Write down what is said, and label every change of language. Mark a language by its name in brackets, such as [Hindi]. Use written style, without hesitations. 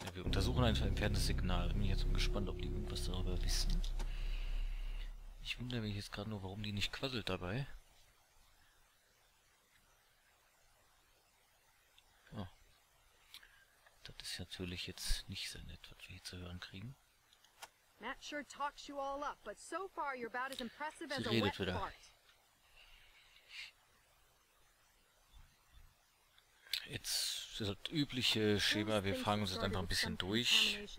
[German] Ja, wir untersuchen ein entferntes Signal. Bin ich jetzt gespannt, ob die irgendwas darüber wissen. Ich wundere mich jetzt gerade nur, warum die nicht quasselt dabei. Das ist natürlich jetzt nicht so nett, was wir hier zu hören kriegen. [English] Matt sure talks you all up, but so far you're about as impressive as a wet fart. [German] Jetzt das ist das übliche Schema, wir fragen uns jetzt einfach ein bisschen durch.